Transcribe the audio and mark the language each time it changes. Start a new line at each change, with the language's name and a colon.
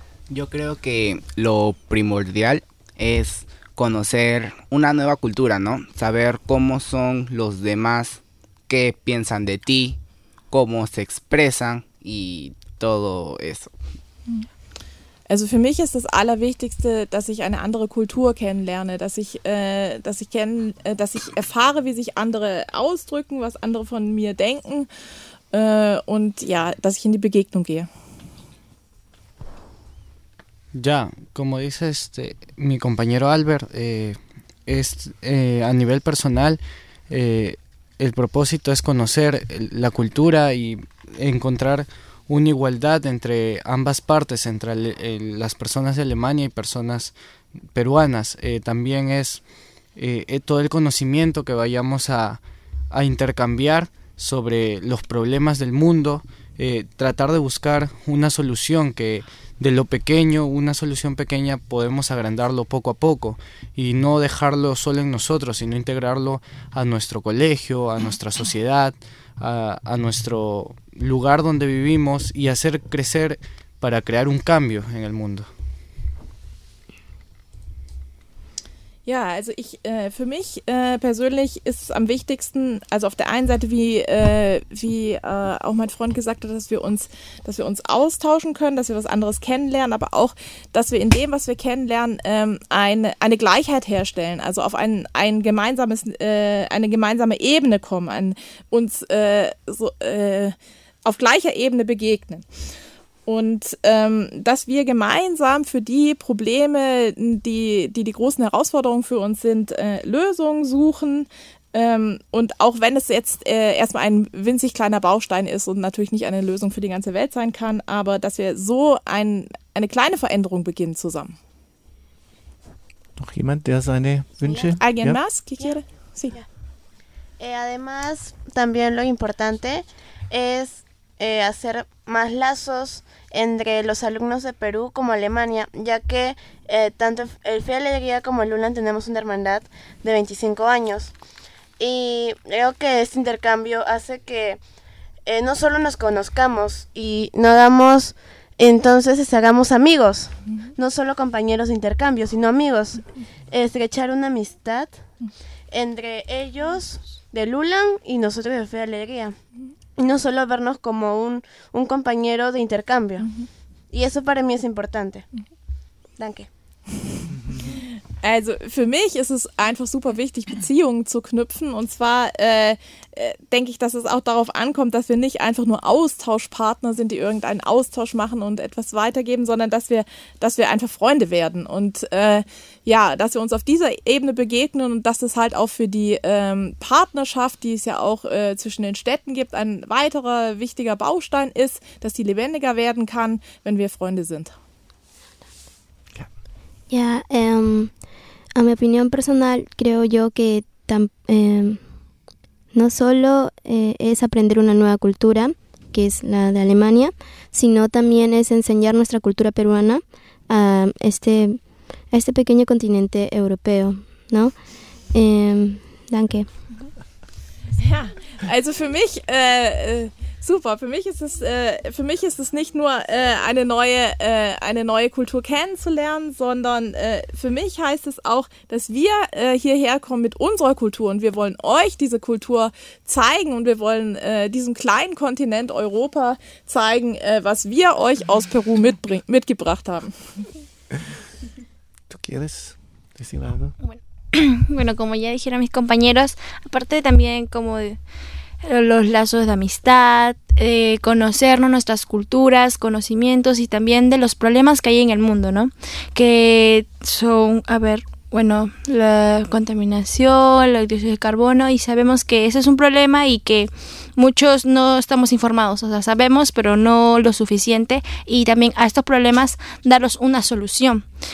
Spanish: Yo creo que lo primordial es conocer una nueva cultura, ¿no? Saber cómo son los demás, qué piensan de ti, cómo se expresan y todo eso.
German: Also für mich ist das Allerwichtigste, dass ich eine andere Kultur kennenlerne, dass ich erfahre, wie sich andere ausdrücken, was andere von mir denken. Und ja, dass ich in die Begegnung gehe.
Spanish: Ya, como dice mi compañero Albert, a nivel personal, el propósito es conocer la cultura y encontrar una igualdad entre ambas partes, entre las personas de Alemania y personas peruanas. También es todo el conocimiento que vayamos a intercambiar sobre los problemas del mundo, tratar de buscar una solución que de lo pequeño, una solución pequeña, podemos agrandarlo poco a poco y no dejarlo solo en nosotros, sino integrarlo a nuestro colegio, a nuestra sociedad, a nuestro lugar donde vivimos y hacer crecer para crear un cambio en el mundo.
German: Ja, also ich für mich persönlich ist es am wichtigsten, also auf der einen Seite, wie auch mein Freund gesagt hat, dass wir uns austauschen können, dass wir was anderes kennenlernen, aber auch, dass wir in dem, was wir kennenlernen, eine Gleichheit herstellen, also auf eine gemeinsame Ebene kommen, auf gleicher Ebene begegnen. Und dass wir gemeinsam für die Probleme, die großen Herausforderungen für uns sind, Lösungen suchen. Und auch wenn es jetzt erstmal ein winzig kleiner Baustein ist und natürlich nicht eine Lösung für die ganze Welt sein kann, aber dass wir so eine kleine Veränderung beginnen zusammen. Noch jemand, der seine Wünsche?
Spanish: Alguien más? Además, también lo importante es hacer más lazos entre los alumnos de Perú como Alemania, ya que tanto el Fe Alegría como el ULAN tenemos una hermandad de 25 años. Y creo que este intercambio hace que no solo nos conozcamos y no hagamos, entonces hagamos amigos, no solo compañeros de intercambio, sino amigos, estrechar una amistad entre ellos del ULAN y nosotros de Fe Alegría. Y no solo vernos como un compañero de intercambio. Uh-huh. Y eso para mí es importante.
German: Uh-huh. Danke. Also für mich ist es einfach super wichtig, Beziehungen zu knüpfen. Und zwar denke ich, dass es auch darauf ankommt, dass wir nicht einfach nur Austauschpartner sind, die irgendeinen Austausch machen und etwas weitergeben, sondern dass wir einfach Freunde werden. Und ja, dass wir uns auf dieser Ebene begegnen und dass es halt auch für die Partnerschaft, die es ja auch zwischen den Städten gibt, ein weiterer wichtiger Baustein ist, dass die lebendiger werden kann, wenn wir Freunde sind.
Spanish: Ya, a mi opinión personal, creo yo que no solo es aprender una nueva cultura, que es la de Alemania, sino también es enseñar nuestra cultura peruana a este pequeño continente europeo, ¿no?
German: Danke. Ja, also für mich... Super, für mich ist es nicht nur eine neue Kultur kennenzulernen, sondern für mich heißt es auch, dass wir hierher kommen mit unserer Kultur und wir wollen euch diese Kultur zeigen und wir wollen diesem kleinen Kontinent Europa zeigen, was wir euch aus Peru mitgebracht haben.
Spanish: ¿Tú quieres decir algo? Bueno, como ya dijeron mis compañeros, aparte también como los lazos de amistad, conocernos, nuestras culturas, conocimientos y también de los problemas que hay en el mundo, ¿no? Que son, a ver, bueno, la contaminación, el dióxido de carbono, y sabemos que ese es un problema y que muchos no estamos informados, o sea, sabemos, pero no lo suficiente, y también a estos problemas darles una solución.